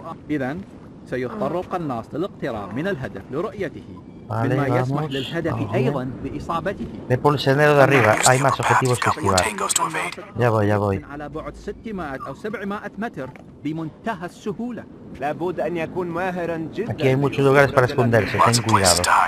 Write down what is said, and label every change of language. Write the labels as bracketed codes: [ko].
[ar] إذن سيضطر القناص للاقتراب من الهدف لرؤيته. [es] Vale, [ar] مما [es] vamos. [ar] يسمح للهدف oh. أيضا بإصابته. [es] Ve por el sendero de arriba. Hay más objetivos que esquivar. Ya voy, ya voy. [ar] على بعد 600 أو 700 متر بمنتهى السهولة. لابد أن يكون ماهرا جدا. [es] Aquí hay muchos lugares para esconderse. Ten cuidado.